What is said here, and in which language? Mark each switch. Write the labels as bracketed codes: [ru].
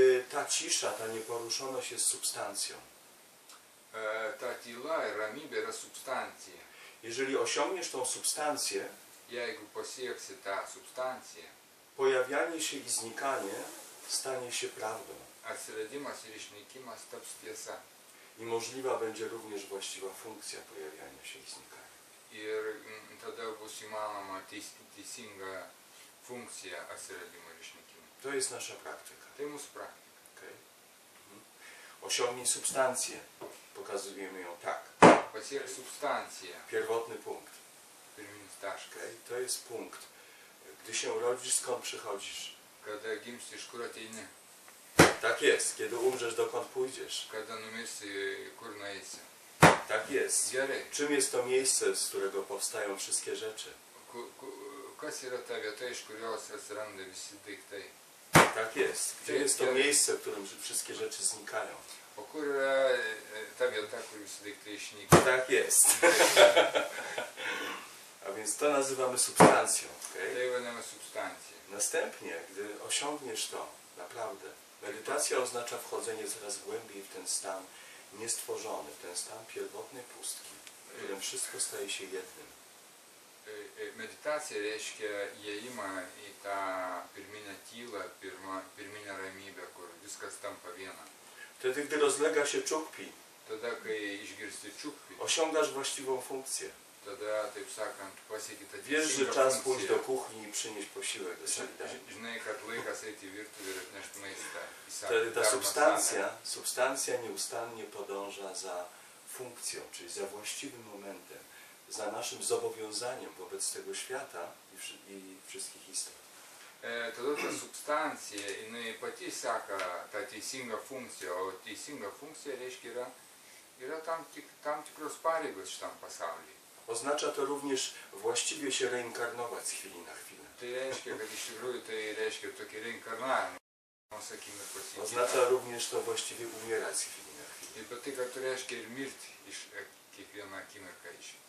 [pl] Ta cisza, ta nieporuszoność jest substancją. [lt] Ta tyla i ramybė yra substancija. [pl] Jeżeli osiągniesz tą substancję, [lt] jeigu pasieksi tą substancję, [pl] pojawianie się i znikanie stanie się prawdą. [lt] Atsiradimas ir išnykimas taps tiesa. [pl] I możliwa będzie również właściwa funkcja pojawiania się i znikania. [lt] Ir tada bus įmanoma teisinga funkcija atsiradimo ir išnykimo. [pl] To jest nasza praktyka. [lt] Tai mūsų praktika. [pl] Okay. Osiągnij substancję. Pokazujemy ją tak. [lt] Pasiek substancja. [pl] Pierwotny punkt. Pirmin staszka. To jest punkt. Gdy się urodzisz, skąd przychodzisz? [lt] Kada gimstisz, kur ateini? [pl] Tak jest. Kiedy umrzesz, dokąd pójdziesz? Kada numirsi, kur nueisi? Tak jest. [lt] Gerai. [pl] Czym jest to miejsce, z którego powstają wszystkie rzeczy? K- k- [lt] kas yra ta vieta, iš kurios atsiranda visi daiktai? [pl] Tak jest. Gdzie jest to miejsce, w którym wszystkie rzeczy znikają? [lt] O kur yra ta vieta, kur visi daiktai išnyksta? [pl] Tak jest. A więc to nazywamy substancją. [lt] Okay? Tai vadiname substancija. [pl] Następnie, gdy osiągniesz to, naprawdę, medytacja oznacza wchodzenie coraz głębiej w ten stan niestworzony, w ten stan pierwotnej pustki, w którym wszystko staje się jednym. [lt] Meditacija reiškia įėjimą į tą pirminę tylą, pirminę ramybę, kur viskas tampa viena. Tada, kai [pl] rozlega się čukpi, [lt] tada, kai išgirsti čukpi, [pl] osiągasz właściwą funkciją. [lt] Tada, taip sakant, pasieki tą teisingą funkciją. [pl] Wiesz, że czas pójść do kuchni i przynieść posiłek. [lt] Žinai, kad laikas eiti į virtuvę ir atnešti maistą. Tada ta substancija [pl] nieustannie podąża za funkcją, czyli za właściwym momentem. Za naszym zobowiązaniem wobec tego świata i wszystkich istot. [lt] Tada ta substancija, jinai pati seka ta teisinga funkcija, o teisinga funkcija reiškia yra tam tikros pareigos šitam pasaulyje. [pl] Oznacza to również właściwie się reinkarnować z chwili na chwilę. [lt] Tai reiškia, kad iš tikrųjų tai reiškia tokį reinkarnavimą, sakykime, pasiekti. [pl] Oznacza również to właściwie umierać z chwili na chwilę. [lt] I pati, kad to reiškia ir mirti iš kiekvieną akimirką iš.